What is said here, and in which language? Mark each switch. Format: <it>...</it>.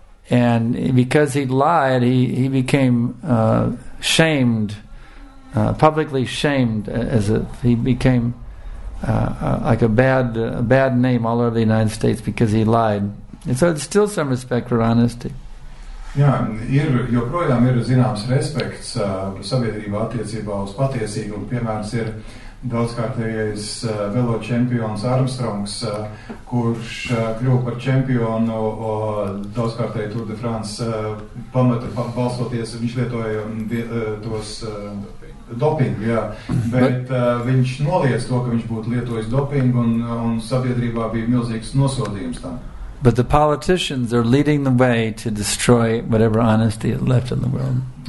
<en>And because he lied, he became shamed, publicly shamed, as if he became like a bad name all over the United States because he lied. And so it's still some respect for honesty.</en> <lv>Jā, joprojām ir zināms respekts sabiedrībā attiecībā uz patiesīgumu. Piemērs ir daudzkārtējais velo čempions Armstrongs, kurš kļuva par čempionu daudzkārtēji Tour de France pamata balstoties, viņš lietoja tos dopingu, jā, bet viņš noliedz to, ka viņš būtu lietojis dopingu un sabiedrībā bija milzīgs nosodījums tam.</lv> <en>But the politicians are leading the way to destroy whatever honesty is left in the world.</en>